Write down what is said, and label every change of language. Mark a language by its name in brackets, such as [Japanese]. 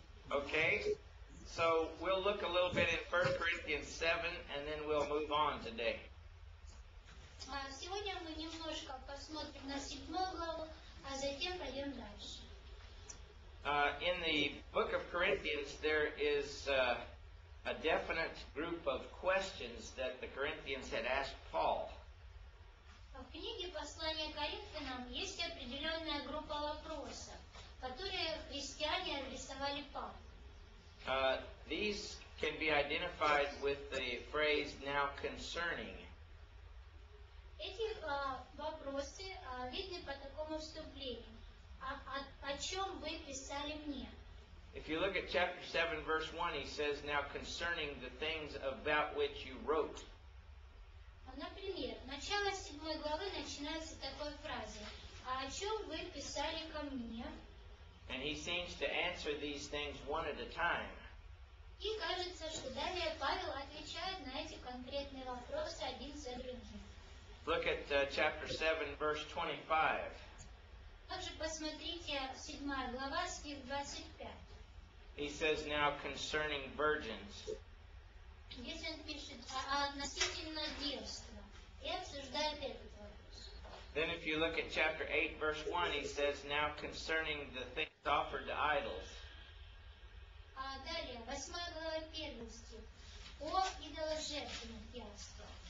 [English] Okay, so we'll look a little bit in 1 Corinthians 7 and then we'll move on today. [Russian] Сегодня мы немножко посмотрим на седьмую главу, а затем пойдем дальше. [English] In the book of Corinthians, there is a definite group of questions that the Corinthians had asked Paul. [Russian] В книге послания Коринфянам есть определенная группа вопросов, которые христиане адресовали Павлу. [English] These can be identified with the phrase now concerning. [Russian] Эти вопросы видны по такому вступлению. О чем вы писали мне? [English] If you look at chapter 7, verse 1, he says, now concerning the things about which you wrote. [Russian] Например, начало 7 главы начинается такой фразой. А о чем вы писали ко мне? [English] And he seems to answer these things one at a time. [Russian] И кажется, что далее Павел отвечает на эти конкретные вопросы один за другим. [English] Look at chapter 7, verse 25. [Russian] Также посмотрите, 7 глава, стих 25. [English] He says, now concerning virgins. [Russian] Здесь он пишет относительно девства. И обсуждает этот вопрос. [English] Then if you look at chapter 8, verse 1, he says, now concerning the things offered to idols. [Russian] Далее, 8 глава, 1 стих. О идоложертвенных явствах.